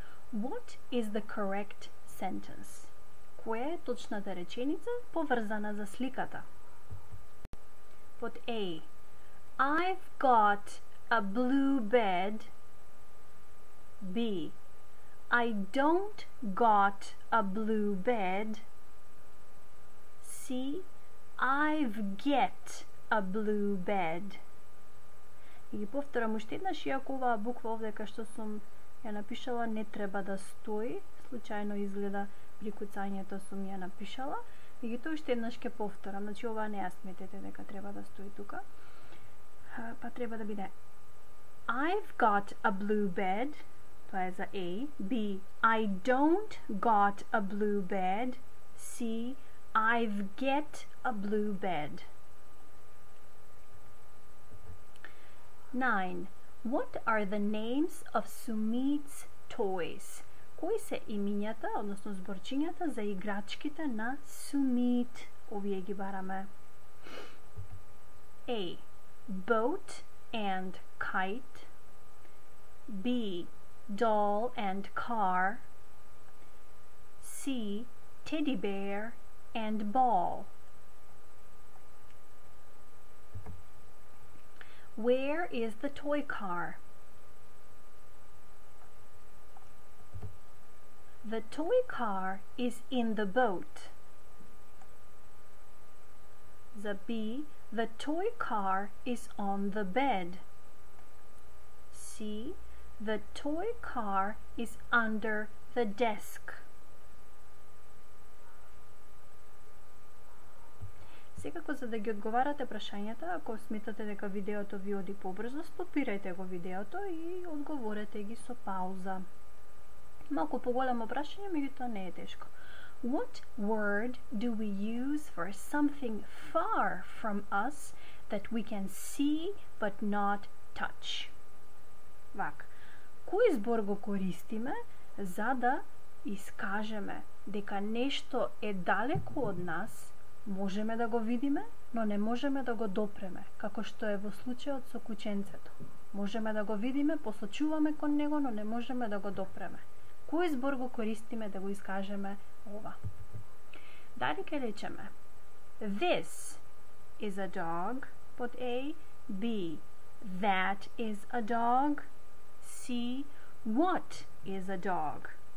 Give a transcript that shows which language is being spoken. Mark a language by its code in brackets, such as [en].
[en] What is the correct sentence? [mk] Која е точната реченица поврзана за сликата? [en] Put A. I've got a blue bed. B. I don't got a blue bed. C. I've get a blue bed. [mk] И повторам уште еднаш, иако оваа буква овде кај што сум ја напишала не треба да стои, случајно изгледа при куцањето сум ја напишала. И тоа уште еднаш ќе повторам, значи оваа не ја сметете дека треба да стои тука. Па треба да биде [en] I've got a blue bed. [mk] Тоа е за [en] A. B. I don't got a blue bed. C. I've get a blue bed. 9. What are the names of Sumit's toys? [mk] Кои се имињата, односно зборчињата, за играчките на Sumit? Овие ги бараме. [en] A. Boat and kite. B. Doll and car. C. Teddy bear and ball. Where is the toy car? The toy car is in the boat. The B. The toy car is on the bed. C. The toy car is under the desk. [mk] 4. Секако за да ги одговарате прашањата, ако сметате дека видеото ви оди побрзо, стопирајте го видеото и одговорете ги со пауза. Малку поголемо прашање, меѓутоа не е тешко. [en] What word do we use for something far from us that we can see but not touch? [mk] Вак. Кој збор го користиме за да искажеме дека нешто е далеку од нас? Можеме да го видиме, но не можеме да го допреме, како што е во случајот со кученцето. Можеме да го видиме, посочуваме кон него, но не можеме да го допреме. Кој збор го користиме да го искажеме ова? Дали ке речеме? [en] This is a dog, [mk] под [en] A. B. That is a dog. C. What is a dog?